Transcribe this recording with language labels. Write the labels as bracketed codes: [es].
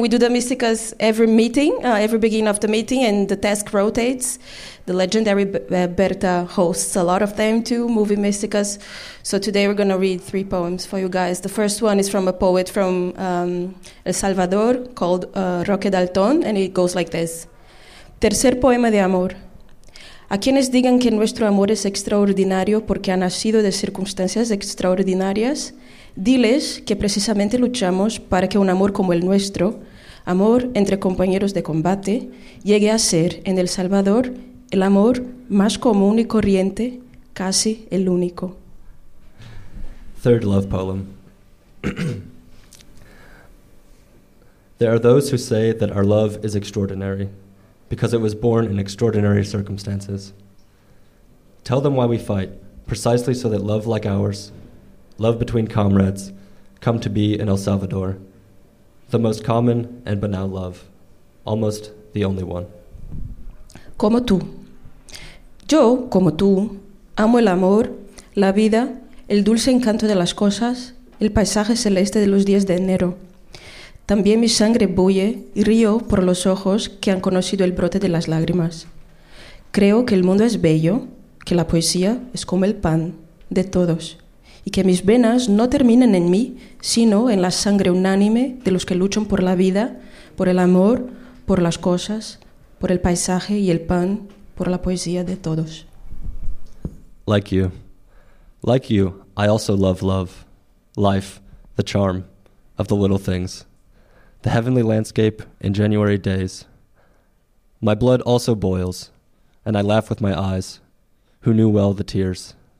[en] We do the Mysticas every meeting, every beginning of the meeting, and the task rotates. The legendary Berta hosts a lot of them too, movie Mysticas. So today we're going to read three poems for you guys. The first one is from a poet from El Salvador called Roque Dalton, and it goes like this. [es] Tercer poema de amor. A quienes digan que nuestro amor es extraordinario porque ha nacido de circunstancias extraordinarias, diles que precisamente luchamos para que un amor como el nuestro, amor entre compañeros de combate, llegue a ser en El Salvador el amor más común y corriente, casi el único. [en] Third love poem. There are those who say that our love is extraordinary because it was born in extraordinary circumstances. Tell them why we fight, precisely so that love like ours, love between comrades, come to be in El Salvador, the most common and banal love, almost the only one. [es] Como tú. Yo, como tú, amo el amor, la vida, el dulce encanto de las cosas, el paisaje celeste de los días de enero. También mi sangre bulle y río por los ojos que han conocido el brote de las lágrimas. Creo que el mundo es bello, que la poesía es como el pan de todos. Y que mis venas no terminen en mí, sino en la sangre unánime de los que luchan por la vida, por el amor, por las cosas, por el paisaje y el pan, por la poesía de todos. [en] Like you, I also love love, life, the charm of the little things, the heavenly landscape in January days. My blood also boils, and I laugh with my eyes, who knew well the tears.